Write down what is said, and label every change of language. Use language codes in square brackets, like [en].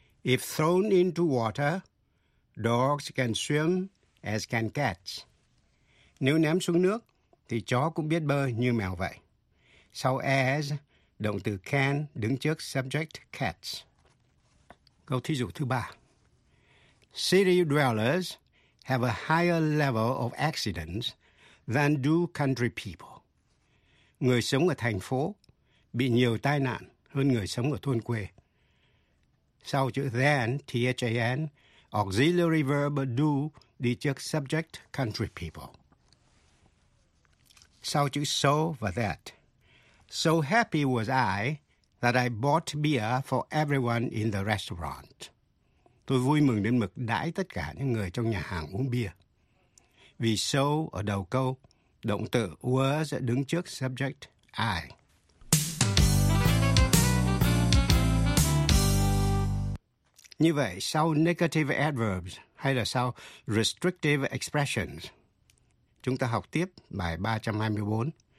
[en] If thrown into water, dogs can swim as can cats. [vi] Nếu ném xuống nước, thì chó cũng biết bơi như mèo vậy. Sau as, động từ can đứng trước subject cats. Câu thí dụ thứ ba. [en] City dwellers have a higher level of accidents than do country people. [vi] Người sống ở thành phố bị nhiều tai nạn hơn người sống ở thôn quê. Sau chữ than, than, auxiliary verb do đi trước subject country people. Sau chữ so và that. [en] So happy was I that I bought beer for everyone in the restaurant. [vi] Tôi vui mừng đến mức đãi tất cả những người trong nhà hàng uống bia. Vì so ở đầu câu, động từ was đứng trước subject I. Như vậy, sau negative adverbs hay là sau restrictive expressions, chúng ta học tiếp bài 324.